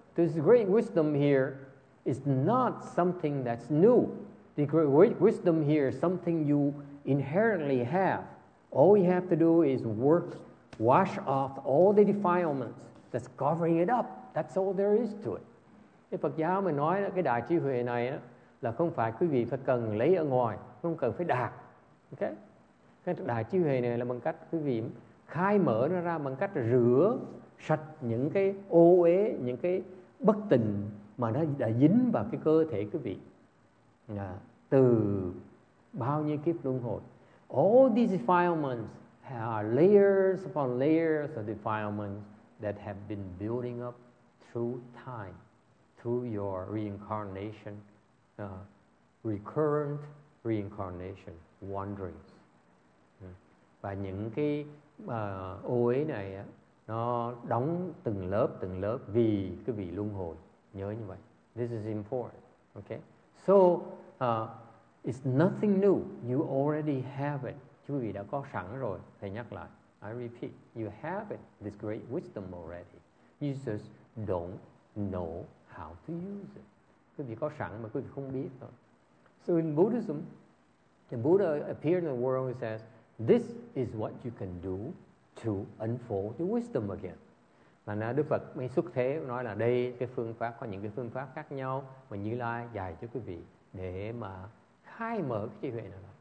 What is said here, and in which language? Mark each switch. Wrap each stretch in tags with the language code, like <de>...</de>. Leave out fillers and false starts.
<en>This great wisdom here is not something that's new. The great wisdom here is something you inherently have. All you have to do is work, wash off all the defilements that's covering it up. That's all there is to it.</en> <vi>Cái Phật giáo mà nói là cái đại trí huệ này á, là không phải quý vị phải cần lấy ở ngoài, không cần phải đạt. Okay? Cái đại trí huệ này là bằng cách quý vị khai mở nó ra bằng cách rửa sạch những cái ô uế, những cái bất tình mà nó đã dính vào cái cơ thể quý vị từ bao nhiêu kiếp luân hồi.</vi> <en>All these defilements are layers upon layers of defilements that have been building up through time, through your reincarnation, recurrent reincarnation, wanderings.</en> <vi>Và những cái ô uế này á, nó đóng từng lớp vì cái vị luân hồi. Nhớ như vậy.</vi> <en>This is important. Okay? So, it's nothing new. You already have it.</en> <vi>Chú vị đã có sẵn rồi. Thầy nhắc lại.</vi> <en>I repeat. You have it. This great wisdom already. You just don't know how to use it.</en> <vi>Quý vị có sẵn mà quý vị không biết thôi.</vi> <en>So in Buddhism, the Buddha appeared in the world and says, this is what you can do to unfold your wisdom again.</en> <vi>Và nên Đức Phật mới xuất thế nói là đây cái phương pháp, có những cái phương pháp khác nhau mà Như Lai dạy cho quý vị để mà khai mở cái trí huệ này.</vi>